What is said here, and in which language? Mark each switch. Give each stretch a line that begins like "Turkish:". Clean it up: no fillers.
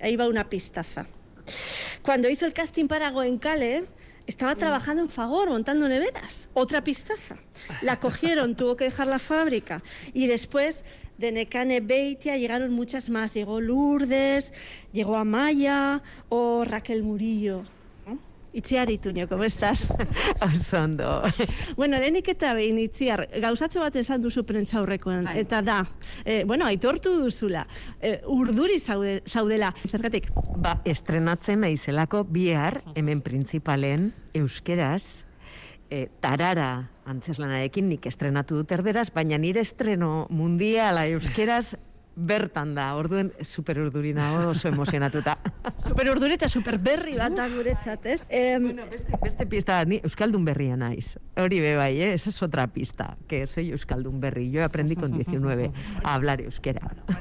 Spanish: Ahí va una pistaza. Cuando hizo el casting para Goenkale, estaba trabajando en Fagor, montando neveras. Otra pistaza. La cogieron, tuvo que dejar la fábrica. Y después de Nekane Beitia llegaron muchas más. Llegó Lourdes, llegó Amaya o Raquel Murillo. Itziar Ituño, ¿cómo estás?
Basque: Osondo. Bueno, lehenik eta behin, Itziar, gauzatxo bat esan duzu prentzaurrekoan, eta da, aitortu duzula, urduri zaudela, zergatik? Ba, estrenatzen naizelako bihar, hemen printzipalen, euskeraz, Tarara antzeslanarekin, nik estrenatu dut erderaz, baina nire estreno mundiala euskeraz, bertan da, orduen super urduri nago, oso emozionatuta. Super urduri eta super berri bat da guretzat, ez? Bueno, beste pista, ni euskaldun berria naiz. Hori be bai, eh?
Spanish: Esa es otra pista, que soy euskaldun berri. Yo aprendí con 19 a hablar euskera.